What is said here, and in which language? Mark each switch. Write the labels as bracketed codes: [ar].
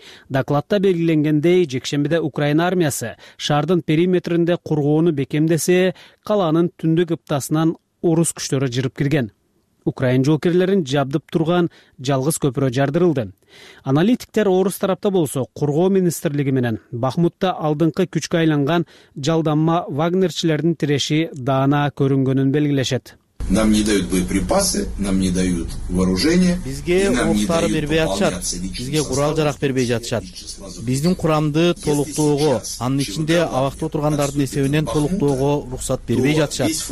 [ky] Докладта белгиленгендей, жекшембиде Украина армиясы шаардын периметринде коргоону бекемдесе, калаанын түндүк ыптасынан орус күчтөрү жырып кирген. Украин жоокерлерин жабдып турган жалгыз көпүрө жардырылды. Аналитиктер орус тарапта болсо, коргоо министрлиги менен Бахмутта алдыңкы күчкө айланган жалданма Вагнерчилердин тиреши даана көрүнгөнүн белгилешет. [ru] Нам не дают боеприпасы, нам не дают вооружение. [ky] Бизге оруктар бербей атышат, бизге курал жарак бербей жатышат. Биздин курамды толуктоого, анын ичинде абакта отургандардын эсебинен толуктоого уруксат бербей жатышат.